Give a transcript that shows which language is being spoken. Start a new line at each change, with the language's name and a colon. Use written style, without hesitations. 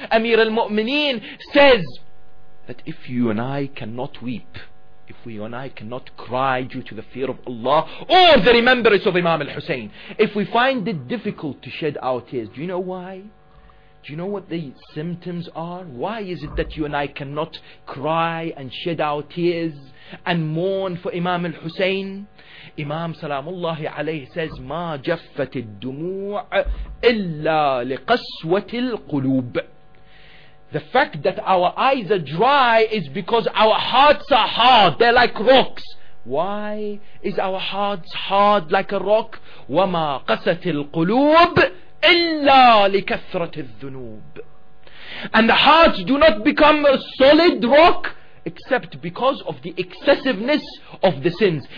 English: Amir al-Mu'mineen says that if you and I cannot weep, if we and I cannot cry due to the fear of Allah or the remembrance of Imam al-Hussein, if we find it difficult to shed our tears, do you know why? Do you know what the symptoms are? Why is it that you and I cannot cry and shed our tears and mourn for Imam al-Hussein? Imam Salamullahi alayhi says,
Arabic: مَا جَفَّتِ الدُّمُوعِ إِلَّا لِقَسْوَةِ الْقُلُوبِ.
English: The fact that our eyes are dry is because our hearts are hard. They're like rocks. Why is our hearts hard like a rock?
Arabic: وَمَا قَسَتِ الْقُلُوبِ إِلَّا لِكَثْرَةِ الذُّنُوبِ.
English: And the heart do not become a solid rock except because of the excessiveness of the sins.